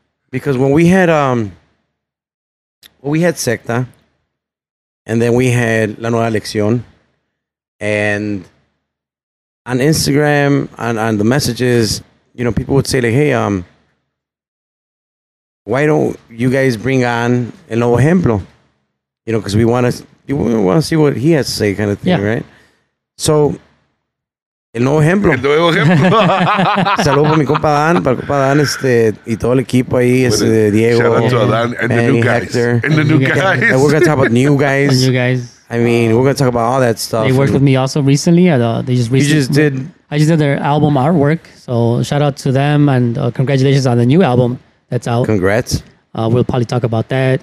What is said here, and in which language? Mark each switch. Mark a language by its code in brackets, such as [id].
[en] Because when we had, well, we had Secta, and then we had La Nueva Lección, and on Instagram, on the messages, you know, people would say, like, hey, why don't you guys bring on El Nuevo Ejemplo? You know, because we want to see what he has to say, kind of thing, yeah. Right? So, El Nuevo Ejemplo. El Nuevo Ejemplo. [es] Saludos para mi compa Dan, para compa Dan, y todo el equipo ahí, Diego. [en] Shout out to Dan and Manny, the new guys. Hector. And the new guys. And we're going to talk about new guys. New guys. I mean, we're going to talk about all that stuff. They worked with me also recently. I just did their album artwork. So, shout out to them, and congratulations on the new album that's out. Congrats. We'll probably talk about that.